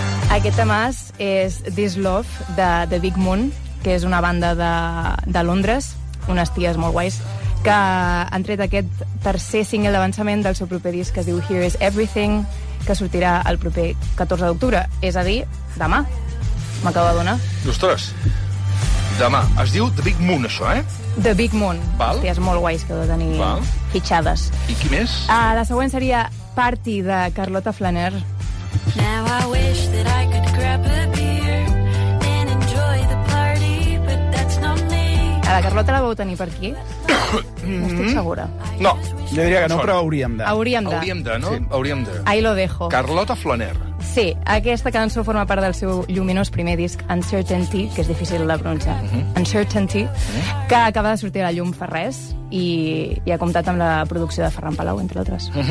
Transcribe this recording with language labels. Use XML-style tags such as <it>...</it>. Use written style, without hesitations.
<ca>Aquest tema és This Love, de The Big Moon, que és una banda de Londres, unes ties molt guais, que han tret aquest tercer single d'avançament del seu proper disc, que es diu Here Is Everything, que sortirà el proper 14 d'octubre. És a dir, demà. M'acabo d'adonar. Ostres, demà. Es diu The Big Moon, això, eh? The Big Moon. Val. Ties molt guais que heu de tenir fitxades. I qui més? La següent seria Party, de Carlota Flaner.</ca> <en>Now I wish that I could grab a beer and enjoy the party, but that's not me.</en> <ca>Carlota la vau tenir per aquí? Estic segura. No, jo diria que no, però hauríem de. Hauríem de. Hauríem de, no? Sí. Hauríem de.</ca> <es>Ahí lo dejo.</es> <ca>Carlota Flaner. Sí, aquesta cançó forma part del seu lluminós primer disc, Uncertainty, que és difícil de pronunciar, Uncertainty, que acaba de sortir a la llum fa res i ha comptat amb la producció de Ferran Palau, entre altres.</ca>